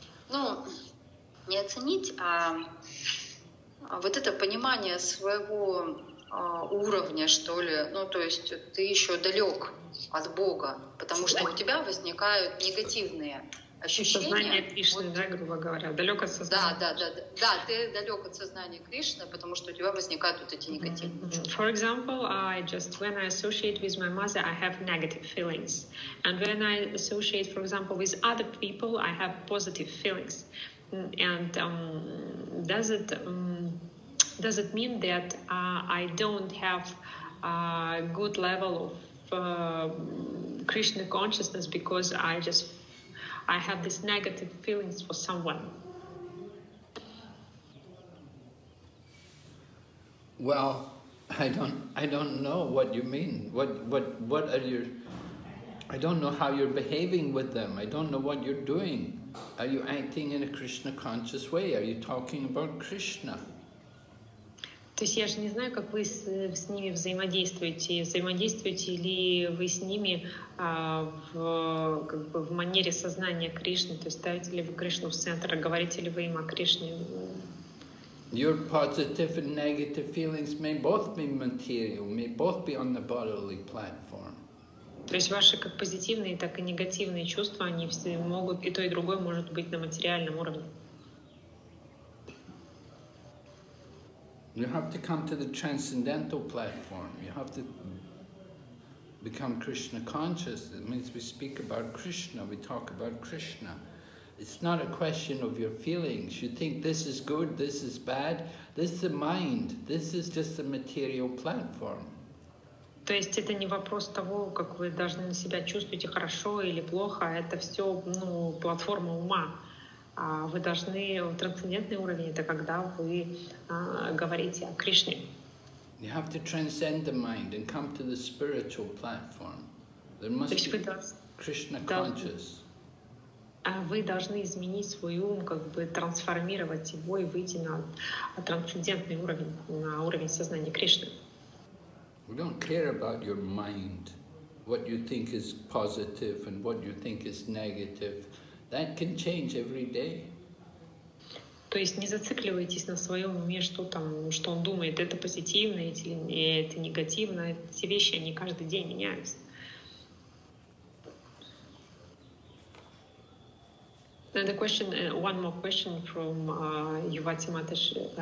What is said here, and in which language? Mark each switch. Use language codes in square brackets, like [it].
[ru] Ну, не оценить, а вот это понимание своего уровня, что ли. Ну, то есть ты еще далек от Бога, потому что у тебя возникают негативные ощущения. Сознание Кришны, вот. Да, грубо говоря, далек от сознания. Да, да, да, да, да, ты далек от сознания Кришны, потому что у тебя возникают вот эти негативные чувства. [en] For example, I just, when I associate with my mother, I have negative feelings. And when I associate, for example, with other people, I have positive feelings. And does it mean that I don't have a good level of Krishna consciousness because I have these negative feelings for someone? Well, I don't know what you mean. What are your, I don't know how you're behaving with them. I don't know what you're doing. Are you acting in a Krishna conscious way? Are you talking about Krishna? [ru] То есть я же не знаю, как вы с ними взаимодействуете. Взаимодействуете ли вы с ними как бы в манере сознания Кришны? То есть ставите ли вы Кришну в центр, говорите ли вы им о Кришне? [en] Your positive and negative feelings may both be material, may both be on the bodily platform. [ru] То есть ваши как позитивные, так и негативные чувства, они все могут, и то, и другое может быть на материальном уровне. [en] You have to come to the transcendental platform. You have to become Krishna conscious. It means we speak about Krishna, we talk about Krishna. It's not a question of your feelings. You think this is good, this is bad. This is the mind. This is just a material platform. [ru] То есть это не вопрос того, как вы должны себя чувствуете, хорошо или плохо. Это все, ну, платформа ума. Вы должны в трансцендентный уровень, это когда вы говорите о Кришне. [en] You have to transcend the mind and come to the spiritual platform. There must be Krishna conscious. [ru] Вы должны изменить свой ум, как бы трансформировать его и выйти на трансцендентный уровень, на уровень сознания Кришны. [en] We don't care about your mind, what you think is positive and what you think is negative. That can change every day. [ru] То есть не зацикливайтесь на своем уме, что там, что он думает, это позитивно, это негативно. Эти вещи, они каждый день меняются. [en] And the question, one more question from Yuvati Matash.